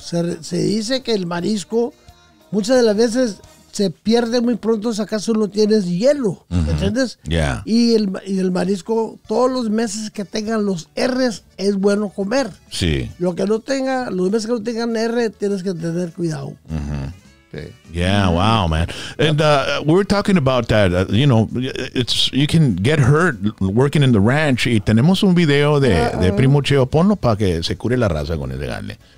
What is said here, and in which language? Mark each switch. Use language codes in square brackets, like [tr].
[es] Se dice que el marisco muchas de las veces se pierde muy pronto si acaso no tienes hielo, ¿entiendes? [en] Yeah. [es] Y el marisco, todos los meses que tengan los R's, es bueno comer. Sí. Lo que no tenga, los meses que no tengan R, tienes que tener cuidado. [en] Uh-huh. Yeah, wow, man. And we're talking about that, you know, you can get hurt working in the ranch. [es] Y tenemos un video de Primo Cheo. Ponlo para que se cure la raza con ese gale.